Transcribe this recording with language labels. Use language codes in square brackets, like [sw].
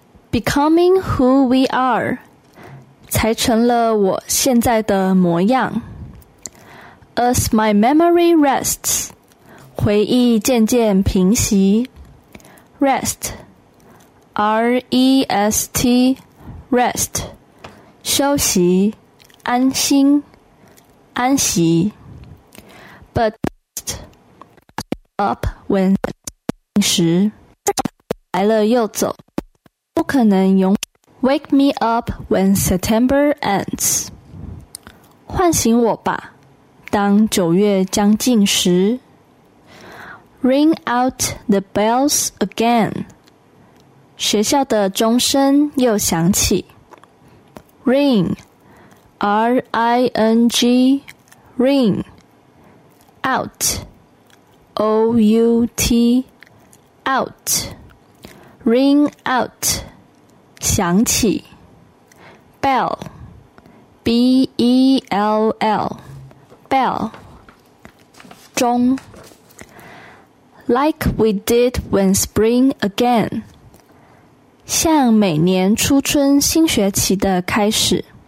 [en] Becoming who we are, [zh] 才成了我现在的模样。 [en] As my memory rests, [zh] 回忆渐渐平息。 [en] Rest, R-E-S-T, rest, [zh] 休息，安心，安息。 But rest, up when 时来了又走，不可能永。 [en] Wake me up when September ends, [zh] 唤醒我吧，当九月将近时。 [en] Ring out the bells again. [zh] 学校的钟声又响起。 [en] Ring, R-I-N-G, ring. Out, O-U-T, out. Ring out, [zh] 响起。 [en] Bell, B-E-L-L, bell, [zh] 钟。 [en] Like we did when spring again. [zh] 像每年初春新学期的开始。